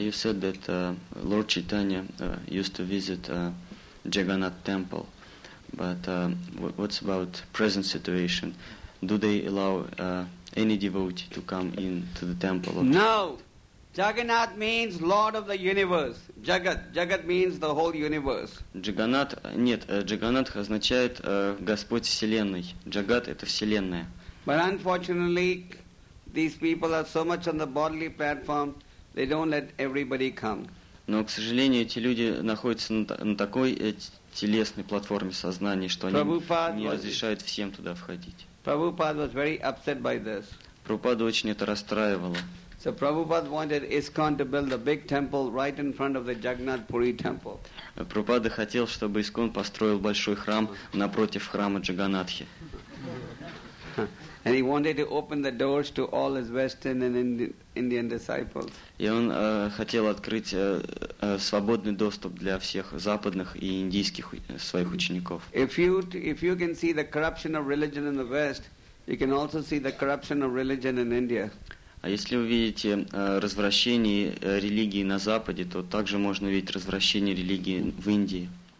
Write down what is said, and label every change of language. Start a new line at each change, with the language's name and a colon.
English: You said that Lord Chaitanya used to visit Jagannath temple, but what's about present situation? do they allow any devotee to come into the temple? Of no. Jagannath means Lord of the universe. Jagat. Jagat means the whole universe.
Russian: Джаганат, нет, Джаганат означает Господь Вселенной. Джагат – это Вселенная.
English: But unfortunately, these people are so much on the bodily platform, they don't let everybody come.
Russian: Но, к сожалению, эти люди находятся на такой телесной платформе сознания, что они не разрешают всем туда входить.
English: Prabhupada was very upset by this.
Russian: Прабхупада очень это расстраивало.
English: So Prabhupada wanted ISKCON to build a big temple right in front of the Jagannath Puri temple.
Russian: Прабхупада хотел, чтобы ИСККОН построил большой храм напротив храма Джаганатхи.
English: And he wanted to open the doors to all his Western and Indian disciples.
Russian: И он хотел открыть свободный доступ для всех западных и индийских своих учеников.
English: If you can see the corruption of religion in the West, you can also see the corruption of religion in India.
Russian: А если вы видите развращение религии на Западе, то также можно видеть развращение религии в Индии.